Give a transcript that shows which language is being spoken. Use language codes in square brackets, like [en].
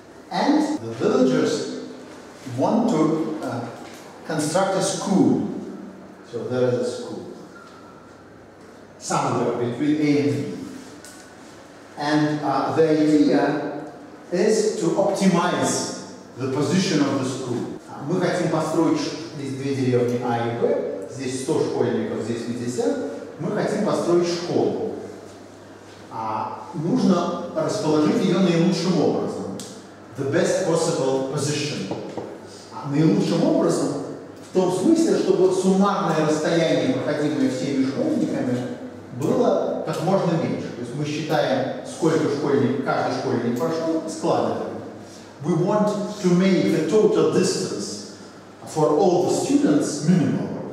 [en] And the villagers want to construct a school. So there is a school somewhere between A and B. And the idea is to optimize the position of the school. [ru] Мы хотим построить здесь две деревни А и Б. Здесь 100 школьников, здесь 50. Мы хотим построить школу. Нужно расположить ее наилучшим образом. [en] The best possible position. [ru] Наилучшим образом в том смысле, чтобы суммарное расстояние, проходимое всеми школьниками, было как можно меньше. То есть мы считаем, сколько школьников, каждый школьник прошел, складываем. [en] We want to make the total distance for all the students minimal.